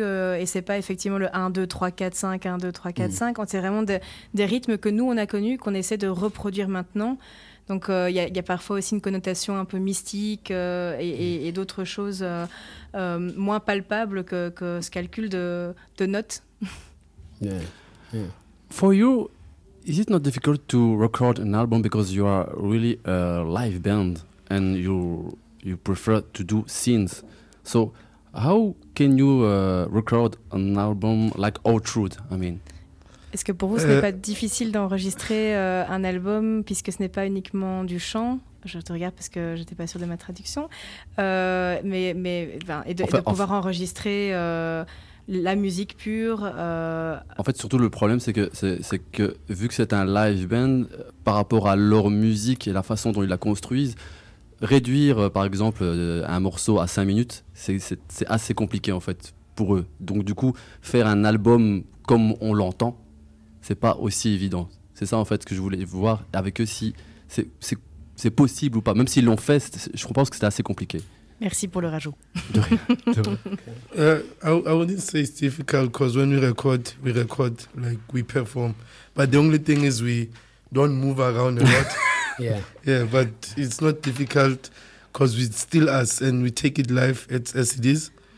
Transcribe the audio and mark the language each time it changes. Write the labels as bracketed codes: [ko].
[fr] Et ce n'est pas effectivement le 1, 2, 3, 4, 5, 1, 2, 3, 4, 5. C'est vraiment des rythmes que nous, on a connus, qu'on essaie de reproduire maintenant. Donc il y a parfois aussi une connotation un peu mystique et d'autres choses moins palpables que ce calcul de notes. [en] Yeah. For you, is it not difficult to record an album because you are really a live band and you prefer to do scenes? So how can you record an album like All Truth? I mean, [fr] est-ce que pour vous ce n'est pas difficile d'enregistrer un album puisque ce n'est pas uniquement du chant? Je te regarde parce que j'étais pas sûre de ma traduction, mais enregistrer. La musique pure. En fait, surtout le problème, c'est que vu que c'est un live band, par rapport à leur musique et la façon dont ils la construisent, réduire par exemple un morceau à 5 minutes, c'est assez compliqué en fait pour eux. Donc du coup, faire un album comme on l'entend, c'est pas aussi évident. C'est ça en fait que je voulais voir avec eux, si c'est possible ou pas. Même s'ils l'ont fait, je pense que c'était assez compliqué. Merci pour le rajout. [en] I wouldn't say it's difficult because when we record like we perform. But the only thing is we don't move around a lot. Yeah, but it's not difficult because we still us and we take it live as it is.